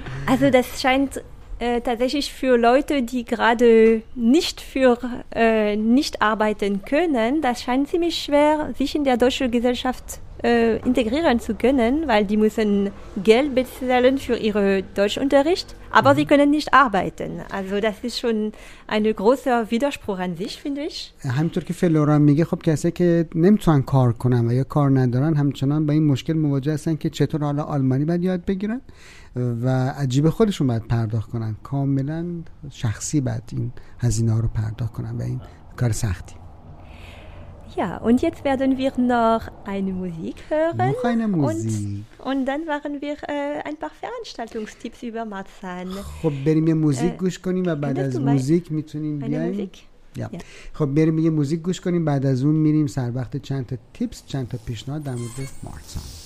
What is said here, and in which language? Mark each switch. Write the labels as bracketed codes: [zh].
[de] Also das scheint tatsächlich für Leute, die gerade nicht arbeiten können, das scheint ziemlich schwer, sich in der deutschen Gesellschaft integrieren zu können, weil die müssen Geld bezahlen für ihren Deutschunterricht, aber sie können nicht arbeiten. Also das ist schon ein großer Widerspruch an sich, finde ich. [fa] همینطور که فلورا میگه خب کسی که نمیتونن کار کنن و یا کار ندارن همچنان با این مشکل مواجه هستن که چطور حالا آلمانی باید یاد بگیرن و عجیب خودشون باید پرداخت کنن، کاملا شخصی باید این هزینه ها رو پرداخت کنن و این کار سختی. [de] Ja, und jetzt werden wir noch eine Musik hören. Noch eine Musik. Und dann machen wir ein paar Veranstaltungstipps über Marzahn. [fa] خب بریم یه موزیک گوش کنیم و بعد از موزیک میتونیم بیاییم. خب بریم یه موزیک گوش کنیم بعد از اون میریم سر وقت چند تا تیپس، چند تا پیشنهاد در مورد مارسان.